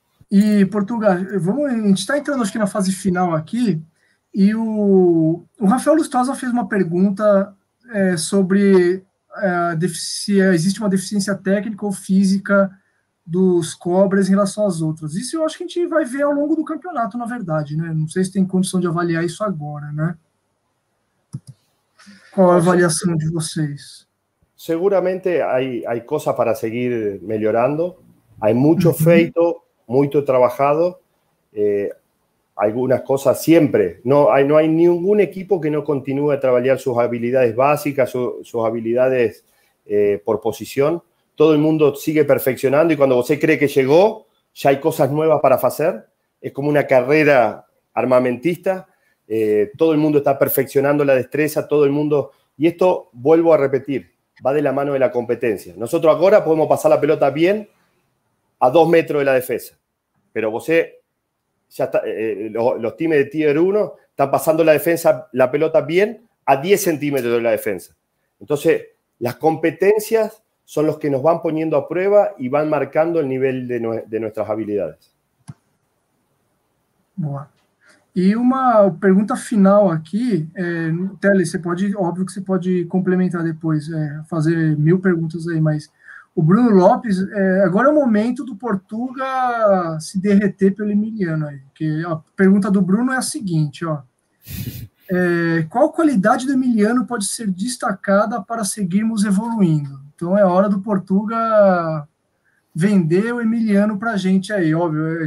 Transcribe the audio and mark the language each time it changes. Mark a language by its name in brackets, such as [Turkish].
[Portuguese] E, Portugal, vamos, a gente está entrando, acho que, na fase final aqui, e o Rafael Lustosa fez uma pergunta sobre se existe uma deficiência técnica ou física dos Cobras em relação às outras. Isso eu acho que a gente vai ver ao longo do campeonato, na verdade, né? Não sei se tem condição de avaliar isso agora, né? Qual a avaliação de vocês? Seguramente há coisa para seguir melhorando, há muito feito... [Spanish] Mucho trabajado, algunas cosas siempre. No hay ningún equipo que no continúe a trabajar sus habilidades básicas, sus habilidades por posición. Todo el mundo sigue perfeccionando y cuando usted cree que llegó, ya hay cosas nuevas para hacer. Es como una carrera armamentista. Todo el mundo está perfeccionando la destreza, todo el mundo... Y esto, vuelvo a repetir, va de la mano de la competencia. Nosotros ahora podemos pasar la pelota bien, a 2 metros de la defensa. Pero vos, ya está, los times de Tier 1 están pasando la defensa, la pelota bien, a 10 centímetros de la defensa. Entonces, las competencias son los que nos van poniendo a prueba y van marcando el nivel de nuestras habilidades. [Portuguese] Boa. [Spanish] Y una pregunta final aquí, Tele, se puede, obvio que se puede complementar después, hacer 1000 preguntas ahí, más. [Portuguese] O Bruno Lopes, agora é o momento do Portuga se derreter pelo Emiliano aí. Porque a pergunta do Bruno é a seguinte, ó. Qual qualidade do Emiliano pode ser destacada para seguirmos evoluindo? Então é hora do Portuga vender o Emiliano para a gente aí, óbvio.